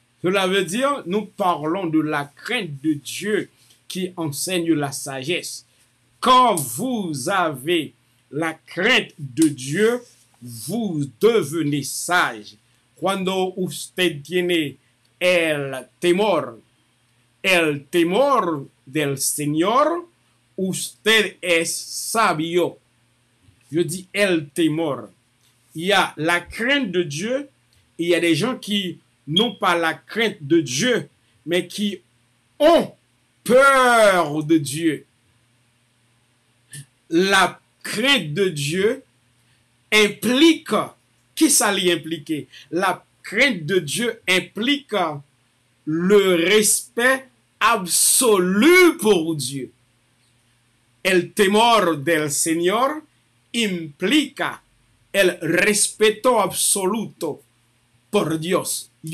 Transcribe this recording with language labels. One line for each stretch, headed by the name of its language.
French: Cela veut dire, nous parlons de la crainte de Dieu qui enseigne la sagesse. Quand vous avez la crainte de Dieu, vous devenez sage.
Spanish: Cuando usted tiene el temor del Señor, usted es sabio.
French: Je dis el temor. Il y a la crainte de Dieu, il y a des gens qui non pas la crainte de Dieu, mais qui ont peur de Dieu. La crainte de Dieu implique, qu'est-ce que ça implique? La crainte de Dieu implique le respect absolu pour Dieu.
Spanish: El temor del Señor implica el respeto absoluto por Dios.